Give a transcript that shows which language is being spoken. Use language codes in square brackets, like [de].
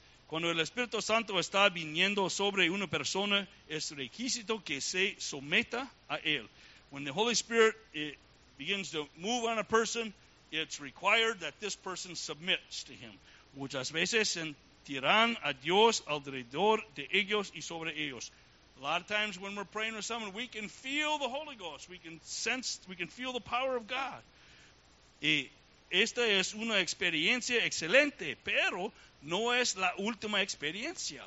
[es] Cuando el Espíritu Santo está viniendo sobre una persona, es requisito que se someta a él. [en] When the Holy Spirit begins to move on a person, it's required that this person submits to him. [es] Muchas veces sentirán a Dios alrededor de ellos y sobre ellos. [en] A lot of times when we're praying with someone, we can feel the Holy Ghost. We can sense, we can feel the power of God. [es] Y esta es una experiencia excelente, pero no es la última experiencia.